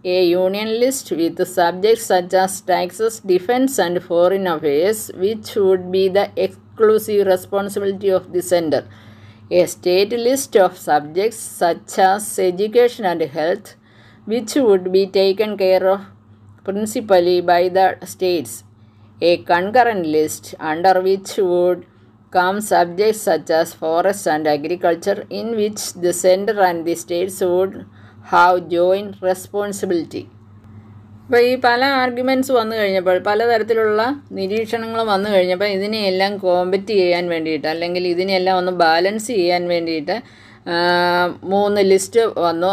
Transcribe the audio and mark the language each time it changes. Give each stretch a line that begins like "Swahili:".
English: A union list with subjects such as taxes, defence and foreign affairs which would be the exclusive responsibility of the centre. A state list of subjects such as education and health which would be taken care of principally by the states. A concurrent list under which would come subjects such as forest and agriculture in which the center and the states would have joint responsibility.
Malayalam: അപ്പോൾ ഈ പല arguments വന്നു കഴിഞ്ഞപ്പോൾ പലതരത്തിലുള്ള നിരീക്ഷണങ്ങൾ വന്നു കഴിഞ്ഞപ്പോൾ ഇതിനെയെല്ലാം കോമ്പറ്റ് ചെയ്യാൻ വേണ്ടിയിട്ട് അല്ലെങ്കിൽ ഇതിനെയെല്ലാം ഒന്ന് ബാലൻസ് ചെയ്യാൻ വേണ്ടിയിട്ട് മൂന്ന് ലിസ്റ്റ് വന്നു.